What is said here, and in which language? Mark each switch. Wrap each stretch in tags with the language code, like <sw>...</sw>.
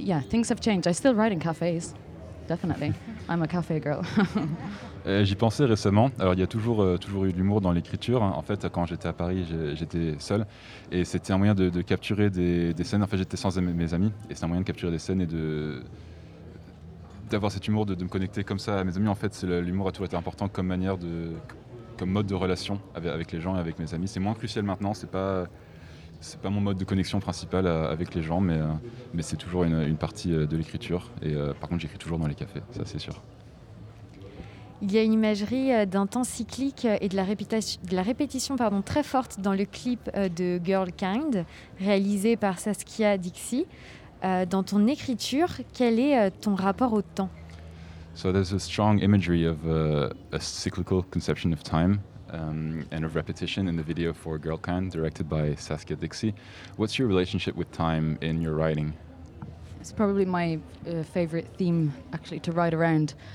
<en>Things have changed. I still write in cafes, definitely. I'm a cafe girl.</en> <fr>J'y pensais récemment. Alors, il y a toujours eu de l'humour dans l'écriture. En fait, quand j'étais à Paris, j'étais seul. Et c'était un moyen de capturer des scènes. En fait, j'étais sans mes amis. Et c'est un moyen de capturer des scènes et d'avoir cet humour, de me connecter comme ça à mes amis. En fait, l'humour a toujours été important comme manière de, comme mode de relation avec les gens et avec mes amis. C'est moins crucial maintenant, c'est pas mon mode de connexion principal avec les gens, mais c'est toujours une partie de l'écriture. Et par contre, j'écris toujours dans les cafés, ça c'est sûr. Il y a une imagerie d'un temps cyclique et de la répétition, très forte dans le clip de Girl Kind, réalisé par Saskia Dixie. Dans ton écriture, quel est ton rapport au temps ?</fr> <en>So there's a strong imagery of a cyclical conception of time and of repetition in the video for Girlkind, directed by Saskia Dixie. What's your relationship with time in your writing? It's probably my favorite theme, actually, to write around.</en>